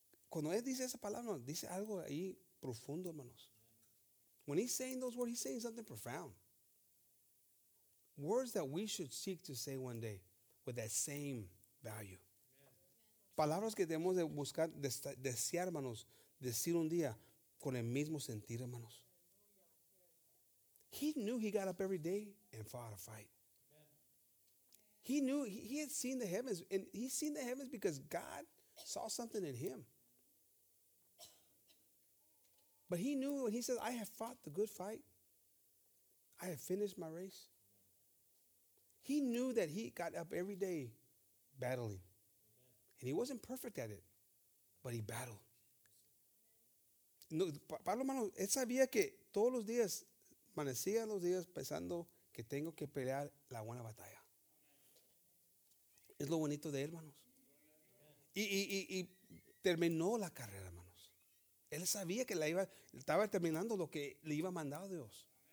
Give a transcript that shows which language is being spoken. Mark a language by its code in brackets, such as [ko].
[es] Cuando él dice esa palabra, dice algo ahí profundo, hermanos. [en] When he's saying those words, he's saying something profound. Words that we should seek to say one day with that same value. [es] Palabras que debemos de buscar, desear, hermanos, decir un día con el mismo sentir, hermanos. [en] He knew he got up every day and fought a fight. He knew he had seen the heavens, and he seen the heavens because God saw something in him. But he knew when he said, I have fought the good fight. I have finished my race. He knew that he got up every day battling. And he wasn't perfect at it, but he battled. [es] Pablo, hermano, él sabía que todos los días, amanecía los días pensando que tengo que pelear la buena batalla. Es lo bonito de él, hermanos. Y terminó la carrera, hermanos. Él sabía que la iba, estaba terminando lo que le iba a mandar a Dios.